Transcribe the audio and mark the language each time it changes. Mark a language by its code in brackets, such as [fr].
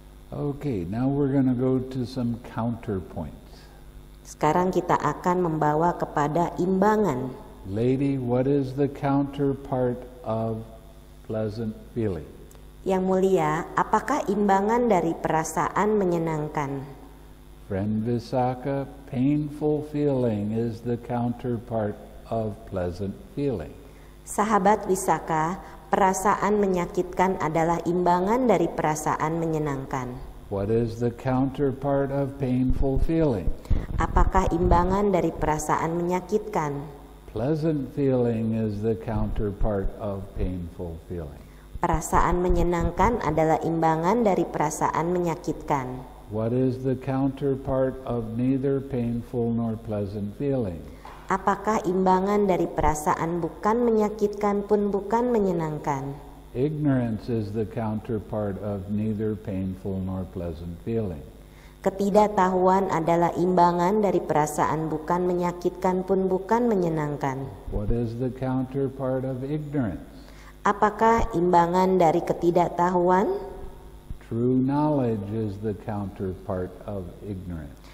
[en] Okay, now we're going to go to some counterpoints. [ms] Sekarang kita akan membawa kepada imbangan. [en] Lady, what is the counterpart of pleasant feeling? [ms] Yang mulia, apakah imbangan dari perasaan menyenangkan? [en] Friend Visakha, painful feeling is the counterpart of pleasant feeling. [ms] Sahabat Visakha, perasaan menyakitkan adalah imbangan dari perasaan menyenangkan. [en] What is the counterpart of painful feeling? [ms] Apakah imbangan dari perasaan menyakitkan? [en] Pleasant feeling is the counterpart of painful feeling. [ms] Perasaan menyenangkan adalah imbangan dari perasaan menyakitkan. [en] What is the counterpart of neither painful nor pleasant feeling? [ms] Apakah imbangan dari perasaan bukan menyakitkan pun bukan menyenangkan? [en] Ignorance is the counterpart of neither painful nor pleasant feeling. [ms] Ketidaktahuan adalah imbangan dari perasaan bukan menyakitkan pun bukan menyenangkan. [en] What is the counterpart of ignorance? [ms] Apakah imbangan dari ketidaktahuan? [en] True knowledge is the counterpart of ignorance.